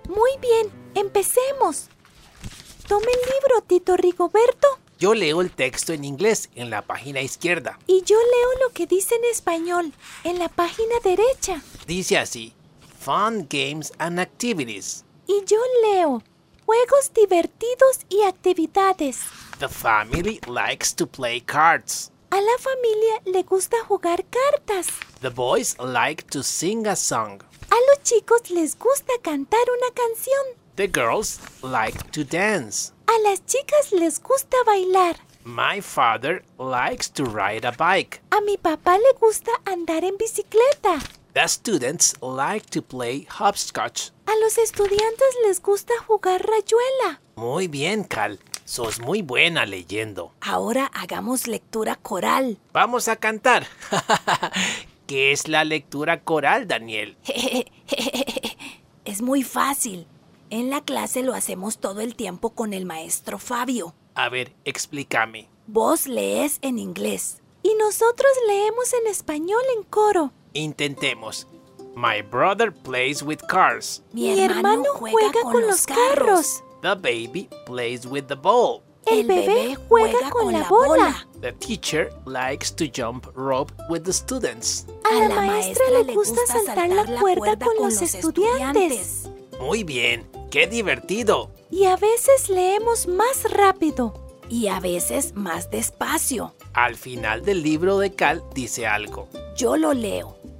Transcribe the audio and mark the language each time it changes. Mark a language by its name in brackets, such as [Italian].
[Spanish] Muy bien, empecemos. Tome el libro, Tito Rigoberto. Yo leo el texto en inglés en la página izquierda. Y yo leo lo que dice en español en la página derecha. Dice así, [English] Fun Games and Activities. [Spanish] Y yo leo Juegos Divertidos y Actividades. [English] The family likes to play cards. [Spanish] A la familia le gusta jugar cartas. [English] The boys like to sing a song. [Spanish] A los chicos les gusta cantar una canción. [English] The girls like to dance. [Spanish] A las chicas les gusta bailar. [English] My father likes to ride a bike. [Spanish] A mi papá le gusta andar en bicicleta. [English] The students like to play hopscotch. [Spanish] A los estudiantes les gusta jugar rayuela. Muy bien, Cal. Sos muy buena leyendo. Ahora hagamos lectura coral. Vamos a cantar. ¿Qué es la lectura coral, Daniel? Es muy fácil. En la clase lo hacemos todo el tiempo con el maestro Fabio. A ver, explícame. Vos lees en inglés. Y nosotros leemos en español en coro. Intentemos. [English] My brother plays with cars. [Spanish] Mi hermano juega con los carros. [English] The baby plays with the ball. [Spanish] El bebé juega con la bola. [English] The teacher likes to jump rope with the students. [Spanish] A la maestra le gusta saltar la cuerda con los estudiantes. Muy bien, qué divertido. Y a veces leemos más rápido. Y a veces más despacio. Al final del libro de Cal dice algo. Yo lo leo.